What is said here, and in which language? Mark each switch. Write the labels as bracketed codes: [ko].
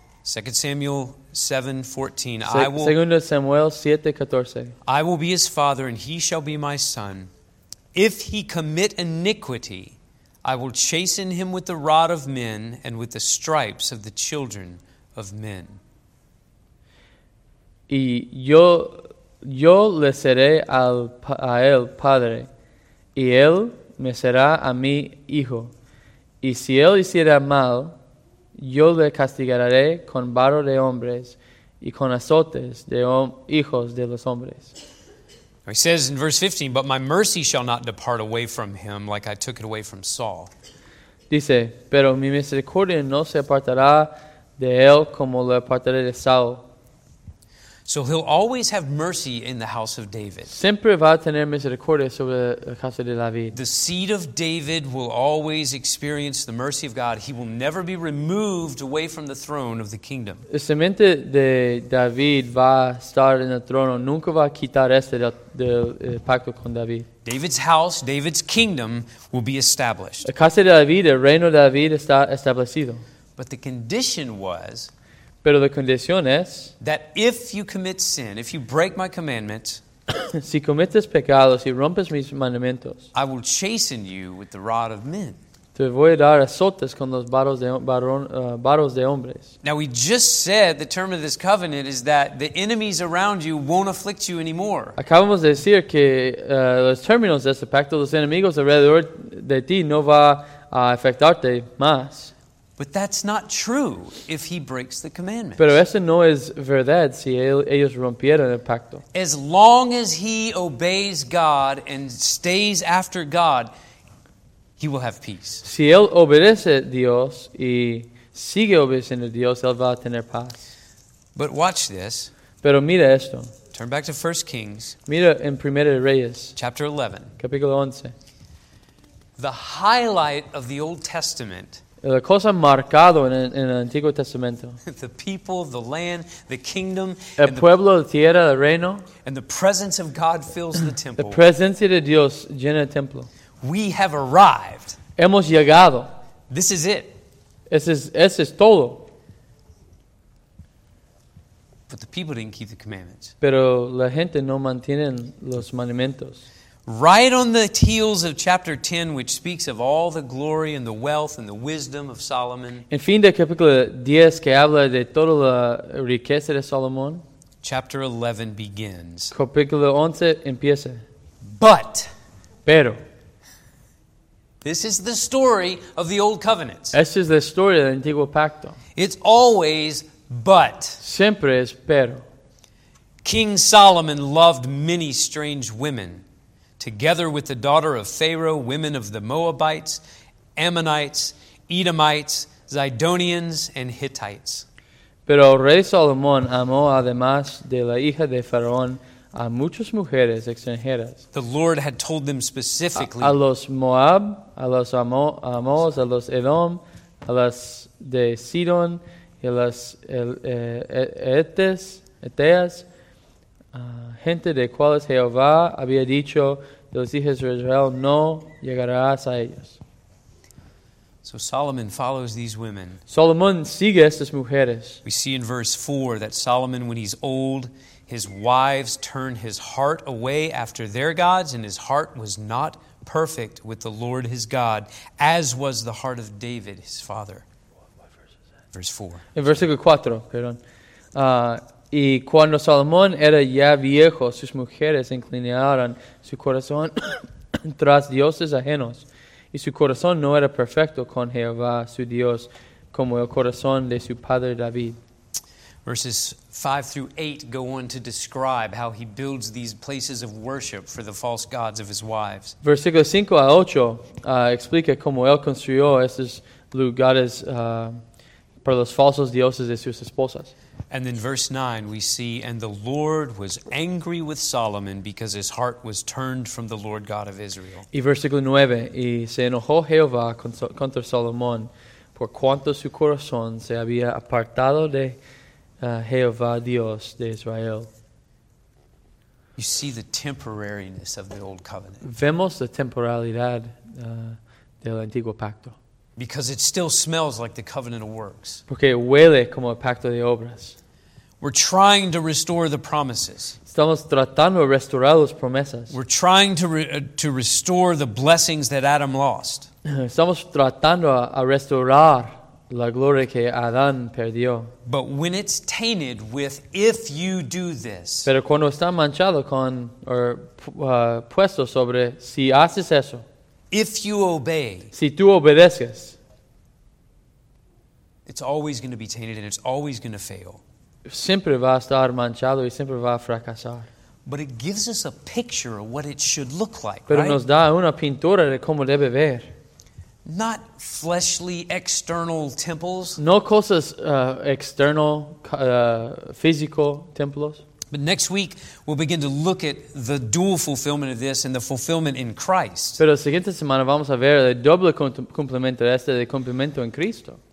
[en] 2 Samuel 7:14. [es] Segundo Samuel 7:14. [en] I will be his father and he shall be my son. If he commit iniquity, I will chasten him with the rod of men and with the stripes of the children of men. [es] Y yo le seré a él padre y él me será a mí hijo. Y si él hiciera mal, yo le castigaré con vara de hombres y con azotes de hijos de los hombres. [en] He says in verse 15, but my mercy shall not depart away from him like I took it away from Saul. [es] Dice, pero mi misericordia no se apartará de él como le apartaré de Saul. [en] So he'll always have mercy in the house of David. [es] Siempre va a tener misericordia sobre la casa de David. [en] The seed of David will always experience the mercy of God. He will never be removed away from the throne of the kingdom. [es] La semente de David va a estar en el trono. Nunca va a quitar este del pacto con David. [en] David's house, David's kingdom will be established. [es] La casa de David, el reino de David está establecido. [en] But the condition was, [es] pero la condición es, [en] that if you commit sin, if you break my commandments, [es] si cometes pecados, si rompes mis mandamientos, [en] I will chasten you with the rod of men. [es] Te voy a dar azotes con los varos de hombres. [en] Now we just said the term of this covenant is that the enemies around you won't afflict you anymore. [es] Acabamos de decir que los términos de este pacto, los enemigos alrededor de ti no va a afectarte más. [en] But that's not true if he breaks the commandments. [es] Pero eso no es verdad si ellos rompieran el pacto. [en] As long as he obeys God and stays after God, he will have peace. [es] Si él obedece a Dios y sigue obedeciendo a Dios, él va a tener paz. [en] But watch this. [es] Pero mira esto. [en] Turn back to 1 Kings. [es] Mira en Primera de Reyes. [en] Chapter 11. [es] Capítulo 11. [en] The highlight of the Old Testament. [es] La cosa marcado en el Antiguo Testamento. [en] The people, the land, the kingdom. [es] El pueblo, la tierra, el reino. [en] And the presence of God fills the temple. [es] La presencia de Dios llena el templo. [en] We have arrived. [es] Hemos llegado. [en] This is it. [es] Ese es todo. [en] But the people didn't keep the commandments. [es] Pero la gente no mantiene los mandamientos. [en] Right on the heels of chapter 10, which speaks of all the glory and the wealth and the wisdom of Solomon. [es] En fin de capítulo 10, que habla de toda la riqueza de Salomón. [en] Chapter 11 begins. [es] Capítulo 11 empieza. [en] But. [es] Pero. [en] This is the story of the Old Covenant. [es] Esta es la historia del Antiguo Pacto. [en] It's always but. [es] Siempre es pero. [en] King Solomon loved many strange women. Together with the daughter of Pharaoh, women of the Moabites, Ammonites, Edomites, Zidonians, and Hittites. [es] Pero el rey Salomón amó además de la hija de Faraón a muchas mujeres extranjeras. [en] The Lord had told them specifically. [es] A los Moab, a los Amos, a los Edom, a las de Sidon, y a las Eteas. Gente de cuales Jehová había dicho de los hijos de Israel, no llegarás a ellos. [en] So Solomon follows these women. [es] Solomón sigue estas mujeres. [en] We see in verse 4 that Solomon, when he's old, his wives turn his heart away after their gods, and his heart was not perfect with the Lord his God, as was the heart of David, his father. What verse is that? Verse 4. [es] En versículo 4, perdón. Y cuando Salomón era ya viejo, sus mujeres inclinaron su corazón tras dioses ajenos. Y su corazón no era perfecto con Jehová, su Dios, como el corazón de su padre David. [en] Verses 5 through 8 go on to describe how he builds these places of worship for the false gods of his wives. [es] Versículo 5 a 8 explica cómo él construyó estos lugares para los falsos dioses de sus esposas. [en] And then verse 9, we see, and the Lord was angry with Solomon because his heart was turned from the Lord God of Israel. [es] Y versículo 9, y se enojó Jehová contra Salomón por cuanto su corazón se había apartado de Jehová Dios de Israel. [en] You see the temporariness of the Old Covenant. [es] Vemos la temporalidad del Antiguo Pacto. [en] Because it still smells like the covenant of works. [es] Porque huele como el pacto de obras. [en] We're trying to restore the promises. [es] Estamos tratando de restaurar las promesas. [en] We're trying to restore the blessings that Adam lost. [es] Estamos tratando a restaurar la gloria que Adán perdió. [en] But when it's tainted with, if you do this. [es] Pero cuando está manchado con, puesto sobre, si haces eso. [en] If you obey, [es] si tú obedeces, [en] it's always going to be tainted and it's always going to fail. [es] Siempre va a estar manchado y siempre va a fracasar. [en] But it gives us a picture of what it should look like. [es] Pero [en] right? [es] Nos da una pintura de cómo debe ver. [en] Not fleshly external temples. [es] No cosas external, físico templos. [en] But next week, we'll begin to look at the dual fulfillment of this and the fulfillment in Christ. [es] Pero la siguiente semana vamos a ver el doble cumplimiento de este, el cumplimiento en Cristo.